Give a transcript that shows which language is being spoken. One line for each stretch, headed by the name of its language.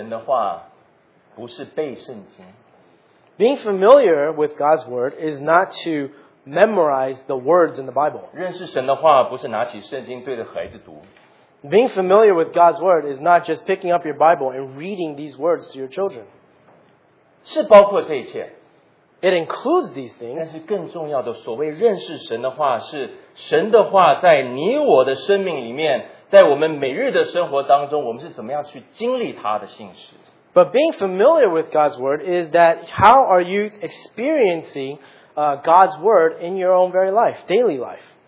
Chinese: 认识神的话不是背圣经,
English: being familiar with God's word is not to memorize the words in the Bible.
Chinese: 认识神的话不是拿起圣经对着孩子读,
English: being familiar with God's word is not just picking up your Bible and reading these words to your children.
Chinese: 是包括这一切,
English: it includes these things.
Chinese: 但是更重要的所谓认识神的话是神的话在你我的生命里面在我们每日的生活当中我们是怎么样去经历他的信实。
English: But being familiar with God's word is that how are you experiencing God's word in your own very life, daily life.